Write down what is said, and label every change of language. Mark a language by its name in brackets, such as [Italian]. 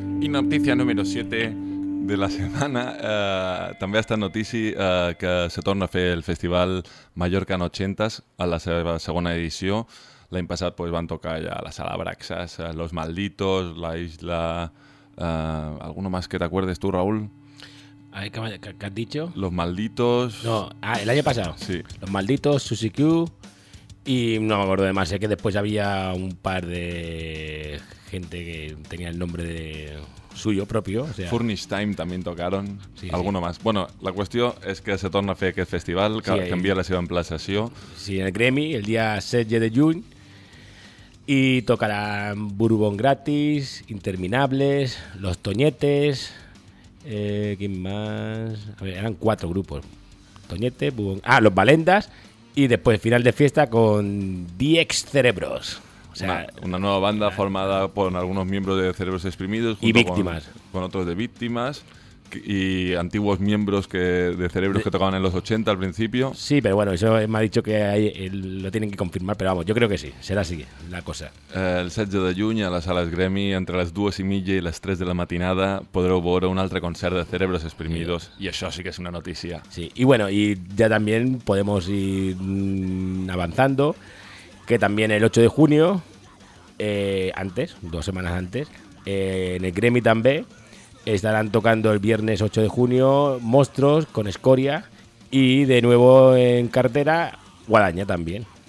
[Catalan] notícia número 7 de la setmana, també ha estat notícia que se torna a fer el festival Mallorca en 80s a la seva segona edició. L'any passat pues, van tocar ja la sala Braxas, Los Malditos, La Isla... [Spanish] ¿Alguno más que te acuerdes tú, Raúl? Ay, ¿qué has dicho? Los Malditos... No, el año pasado. Sí. Los Malditos, Susy Q... Y no me acuerdo de más, sé que después había un par de gente que tenía el nombre de suyo propio. O sea... Furnish Time también tocaron, sí, alguno sí. Más. Bueno, la cuestión es que [Catalan] se torna a fer aquest festival, que sí, canvia la seva emplaçació. [Spanish] Sí, en el Gremi, el dia 16 [Catalan] de juny, [Spanish] y tocarán Bourbon Gratis, Interminables, Los Toñetes, ¿quién más? A ver, eran cuatro grupos. Toñete, Bourbon... Ah, Los Valendas... Y después final de fiesta con DX Cerebros. O sea, una nueva banda formada por algunos miembros de Cerebros Exprimidos. Y Víctimas. Con otros de Víctimas. Y antiguos miembros de Cerebros que tocaban en los 80 al principio. Sí, pero bueno, eso me ha dicho que lo tienen que confirmar. Pero vamos, yo creo que sí. Será así la cosa. [Catalan] El 16 de juny a les sales Gremi, entre les 2:30 i les 3 de la matinada, podreu veure un altre concert de Cerebros Exprimidos. Sí. I això sí que és una notícia. [Spanish] Sí, y bueno, y ya también podemos ir avanzando, que también el 8 de junio, antes, dos semanas antes, en el Gremi també, estarán tocando el viernes 8 de junio Monstruos con Escoria y de nuevo en cartera Guadaña también.